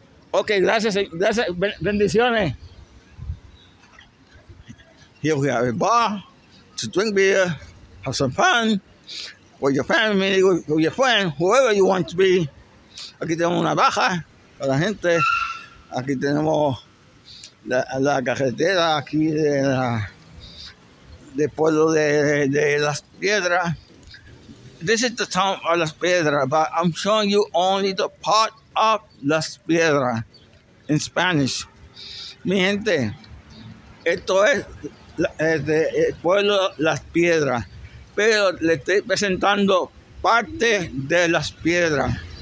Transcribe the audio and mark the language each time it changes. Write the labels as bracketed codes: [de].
[es] Ok, gracias, gracias. Bendiciones. [en] Here we have a bar to drink beer, have some fun with your family, with your friend, whoever you want to be. [es] Aquí tenemos una baja para la gente. Aquí tenemos la carretera aquí de la de pueblo de Las Piedras. [en] This is the town of Las Piedras, but I'm showing you only the part of Las Piedras in Spanish. [es] Mi gente, esto es el pueblo Las Piedras, pero le estoy presentando parte de Las Piedras.